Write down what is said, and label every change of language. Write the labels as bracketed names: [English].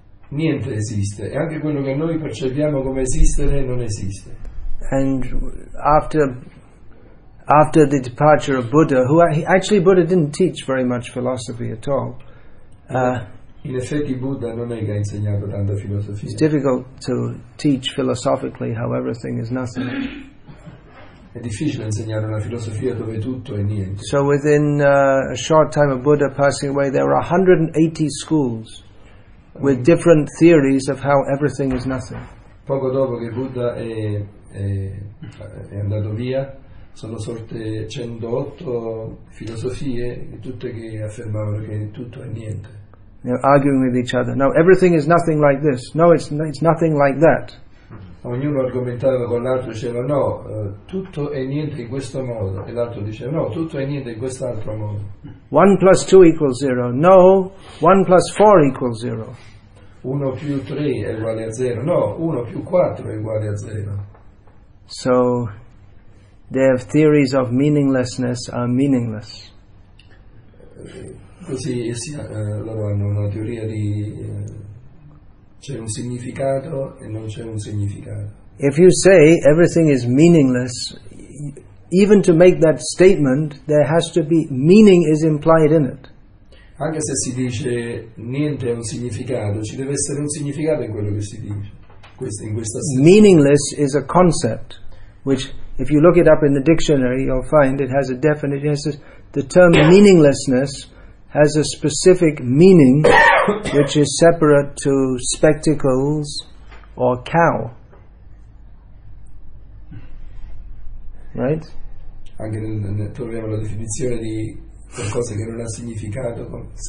[Italian] Niente esiste, e anche quello che noi percepiamo come esistere non esiste. [English] And after the departure of Buddha, Buddha didn't teach very much philosophy at all. [Italian] In effetti Buddha non è che ha insegnato tanta filosofia. [English] It's difficult to teach philosophically how everything is nothing. [Italian] È difficile insegnare una filosofia dove tutto è niente. [English] So within a short time of Buddha passing away, there were 180 schools with different theories of how everything is nothing. [Italian] Poco dopo che Buddha è andato via, sono sorte 108 filosofie, tutte che affermavano che tutto è niente. [English] You know, arguing with each other. No, everything is nothing like this. No, it's nothing like that. [Italian] Ognuno argomentava con l'altro, diceva no, tutto è niente in questo modo, e l'altro diceva no, tutto è niente in quest'altro modo. [English] 1 + 2 = 0. No, 1 + 4 = 0. [Italian] 1 + 3 = 0. No, 1 + 4 = 0. [English] So, their theories of meaninglessness are meaningless. [Italian] Così loro hanno una teoria di c'è un significato e non c'è un significato. [English] If you say everything is meaningless, even to make that statement, there has to be meaning is implied in it. [Italian] Anche se si dice niente ha un significato, ci deve essere un significato in quello che si dice. In questa [English] meaningless is a concept, which if you look it up in the dictionary, you'll find it has a definition. It says the term meaninglessness has a specific meaning which is separate to spectacles or cow. Right? [Italian] Anche troviamo la definizione di qualcosa che non ha significato con